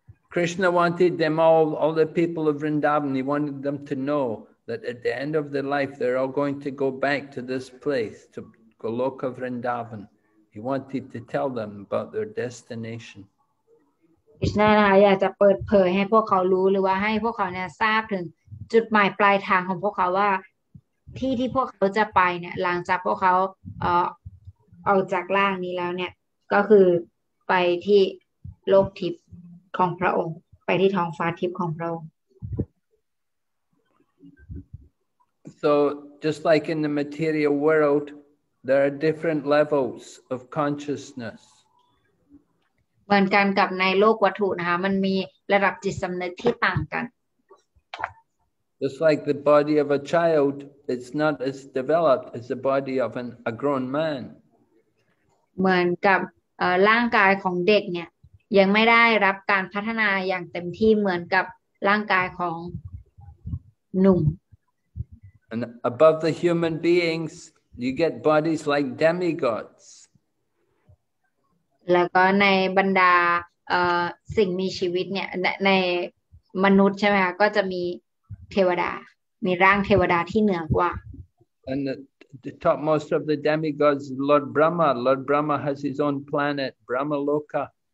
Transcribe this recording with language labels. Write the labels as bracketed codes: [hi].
[en] Krishna wanted them all the people of Vrindavan, he wanted them to know that at the end of their life, they're all going to go back to this place, to Goloka Vrindavan. He wanted to tell them about their destination. [th] Krishna นะคะอยากจะเปิดเผยให้พวกเขารู้หรือว่าให้พวกเขาเนี่ยทราบถึงจุดหมายปลายทางของพวกเขาว่าที่ที่พวกเขาจะไปเนี่ยหลังจากพวกเขาออกจากร่างนี้แล้วเนี่ยก็คือไปที่โลกทิพย์ของพระองค์ไปที่ท้องฟ้าทิพย์ของพระองค์ [en] So just like in the material world there are different levels of consciousness [th] เหมือนกันกับในโลกวัตถุนะคะมันมีระดับจิตสำนึกที่ต่างกัน [en] Just like the body of a child it's not as developed as the body of a grown man [th] เหมือนกับร่างกายของเด็กเนี่ยยังไม่ได้รับการพัฒนาอย่างเต็มที่เหมือนกับร่างกายของหนุ่ม [en] And above the human beings you get bodies like demigods [th] แล้วก็ในบรรดาสิ่งมีชีวิตเนี่ยในมนุษย์ใช่ไหมคะก็จะมีเทวดามีร่างเทวดาที่เหนือกว่า [en] And the topmost of the demigods is Lord Brahma. Lord Brahma has his own planet, Brahma Loka.